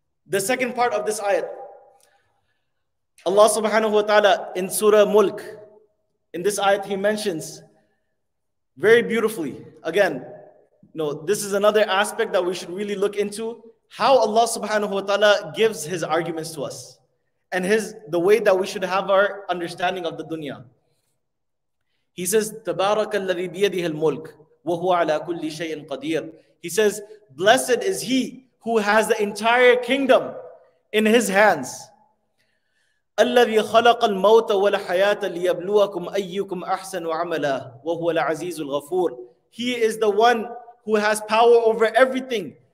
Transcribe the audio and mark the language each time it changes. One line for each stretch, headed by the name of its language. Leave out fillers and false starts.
English: The second part of this ayat, Allah subhanahu wa ta'ala in Surah Mulk, in this ayat, he mentions very beautifully, again, no, this is another aspect that we should really look into, how Allah subhanahu wa ta'ala gives his arguments to us and the way that we should have our understanding of the dunya. He says,
Arabic: تَبَارَكَ الَّذِي بِيَدِهِ الْمُلْكِ وَهُوَ عَلَىٰ كُلِّ شَيْءٍ قَدِيرٍ.
English: He says, blessed is he who has the entire kingdom in his hands.
Arabic: الَّذِي خَلَقَ الْمَوْتَ وَالْحَيَاةَ لِيَبْلُوَكُمْ أَيُّكُمْ أَحْسَنُ عَمَلًا وَهُوَ الْعَزِيزُ الْغَفُورُ.
English: He is the one who has power over everything.